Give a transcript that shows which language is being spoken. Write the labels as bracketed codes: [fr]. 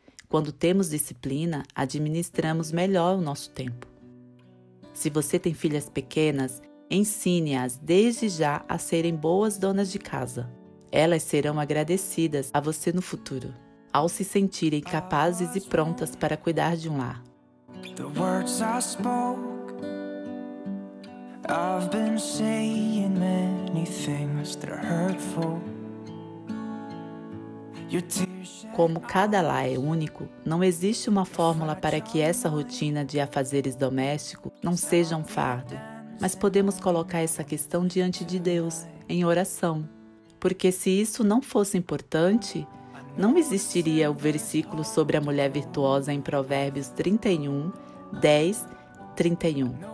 [pt] Quando temos disciplina, administramos melhor o nosso tempo. Se você tem filhas pequenas, ensine-as desde já a serem boas donas de casa. Elas serão agradecidas a você no futuro, ao se sentirem capazes e prontas para cuidar de um lar. [en] The words I spoke, I've been saying many things that are hurtful. [pt] Como cada lar é único, não existe uma fórmula para que essa rotina de afazeres domésticos não seja um fardo. Mas podemos colocar essa questão diante de Deus, em oração. Porque se isso não fosse importante, não existiria o versículo sobre a mulher virtuosa em Provérbios 31:10-31.